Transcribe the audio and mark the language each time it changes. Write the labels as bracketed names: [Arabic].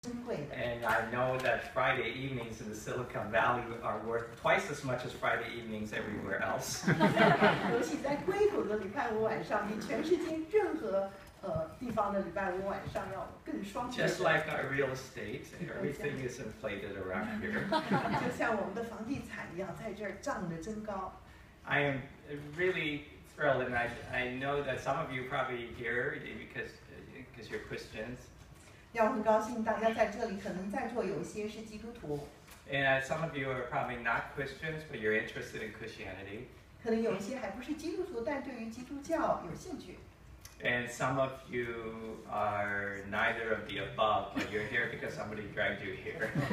[English] I know that Friday evenings in the Silicon Valley are worth twice as much as Friday evenings everywhere else. [Chinese] 尤其在硅谷的礼拜五晚上比全世界任何地方的礼拜五晚上要更双倍的。 [English] Just like our real estate, everything is inflated around here. [Chinese] 就像我们的房地产一样，在这儿涨得真高。 [English] I am really thrilled, and I know that some of you probably here because you're Christians. [Chinese] 要很高兴大家在这里，可能在座有些是基督徒。 [English] And some of you are probably not Christians, but you're interested in Christianity. [Chinese] 可能有一些还不是基督徒，但对于基督教有兴趣。 [English] And some of you are neither of the above, but you're here because somebody dragged you here.